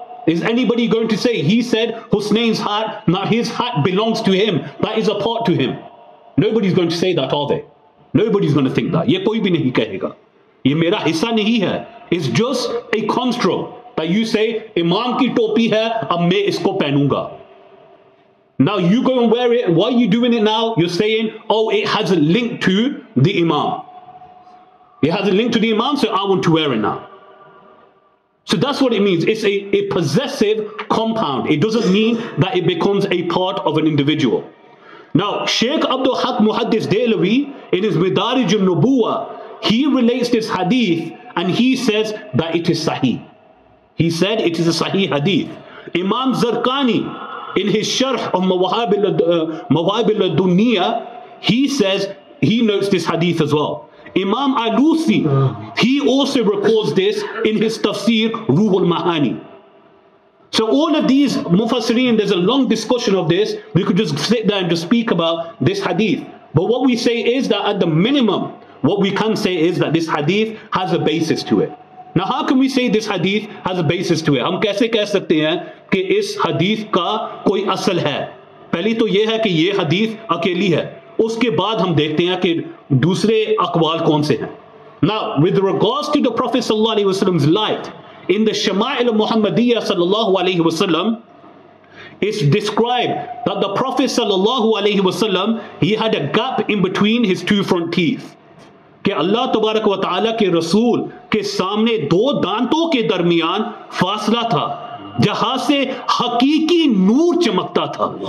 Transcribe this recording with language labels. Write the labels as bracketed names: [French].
[English] Is anybody going to say, he said Husnain's hat, now his hat belongs to him. That is a part to him. Nobody's going to say that, are they? Nobody's going to think that. [Urdu] یہ کوئی بھی نہیں کہے گا۔ یہ میرا حصہ نہیں ہے۔ [English] It's just a construct that you say, [Urdu] امام کی ٹوپی ہے، اب میں اس کو پہنوں گا۔ [English] Now you go and wear it. Why are you doing it now? You're saying, oh, it has a link to the Imam. It has a link to the Imam, so I want to wear it now. So that's what it means. It's a possessive compound. It doesn't mean that it becomes a part of an individual. Now, Sheikh Abdul Haq Muhaddis Dehlawi, in his Midarij al-Nubuwa, he relates this hadith and he says that it is sahih. He said it is a sahih hadith. Imam Zarqani, in his Sharh of Mawahib al-Dunniya, he says, he notes this hadith as well. Imam Alusi, he also records this in his tafsir, Ruhul Mahani. So all of these mufassirin, there's a long discussion of this. We could just sit there and just speak about this hadith. But what we say is that at the minimum, what we can say is that this hadith has a basis to it. Now how can we say this hadith has a basis to it? [Urdu] ہم کیسے کہہ سکتے ہیں کہ اس حدیث کا کوئی اصل ہے؟ پہلی تو یہ ہے کہ یہ حدیث اکیلی ہے۔ اس کے بعد ہم دیکھتے ہیں کہ دوسرے اقوال کون سے ہیں۔ [English] Now, with regards to the Prophet sallallahu alaihi wasallam's light, in the Shamā'il Muhammadiyya sallallahu alaihi wasallam, it's described that the Prophet sallallahu alaihi wasallam, he had a gap in between his two front teeth. [Urdu] کہ اللہ تبارک و تعالیٰ کے رسول کے سامنے دو دانتوں کے درمیان فاصلہ تھا، جہاں سے حقیقی نور چمکتا تھا۔